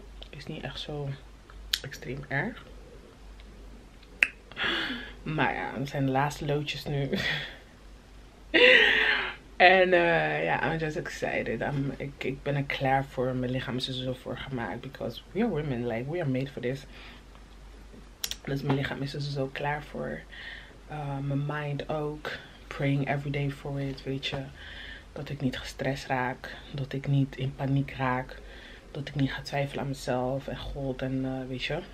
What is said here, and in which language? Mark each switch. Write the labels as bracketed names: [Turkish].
[Dutch] Is niet echt zo extreem erg. Maar ja, het zijn de laatste loodjes nu. En ja, [English] I'm just excited. [Dutch] Ik ben er klaar voor. Mijn lichaam is er zo voor gemaakt. [English] Because we are women, like, we are made for this. [Dutch] Dus mijn lichaam is er zo klaar voor. Mijn mind ook. [English] Praying every day for it, [Dutch] weet je. Dat ik niet gestrest raak. Dat ik niet in paniek raak. Dat ik niet ga twijfelen aan mezelf en God en weet je.